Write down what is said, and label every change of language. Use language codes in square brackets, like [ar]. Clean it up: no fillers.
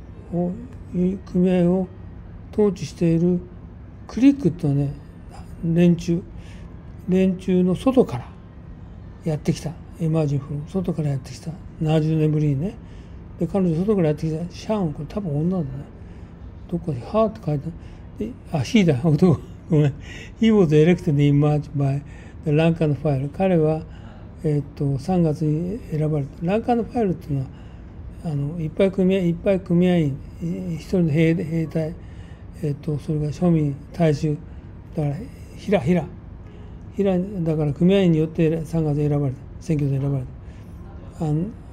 [ja] 組合を統治しているクリックというのはね、連中の外からやってきた、エマージンフロン、外からやってきた、70年ぶりにね。で彼女外からやってきた、シャン、これ多分女だね。どこに、ハーって書いてある。あ、ヒーだ、男、ごめん。 [en] He was elected in March by the rank and file。 [ja] 彼は、3月に選ばれた。 [en] rank and file [ja] っていうのは、いっぱい組合員、一人の兵隊、それが庶民、大衆、だから、ひら、だから組合員によって3月に選ばれた、選挙で選ばれた。